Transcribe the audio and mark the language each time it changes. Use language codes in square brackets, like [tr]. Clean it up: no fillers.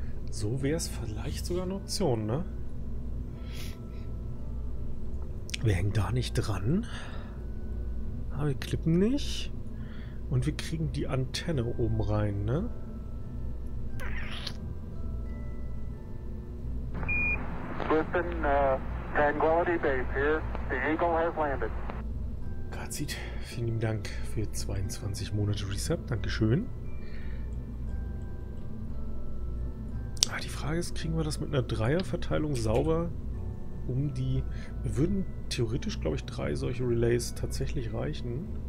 [de] So wäre es vielleicht sogar eine Option, ne? Wir hängen da nicht dran. Aber wir klippen nicht. Und wir kriegen die Antenne oben rein, ne? [en] Listen, Tranquility Base here. The Eagle has landed. [de] Fazit. Vielen Dank für 22 Monate Resub. Dankeschön. Die Frage ist, kriegen wir das mit einer Dreierverteilung sauber um die... Wir würden theoretisch, glaube ich, drei solche Relays tatsächlich reichen.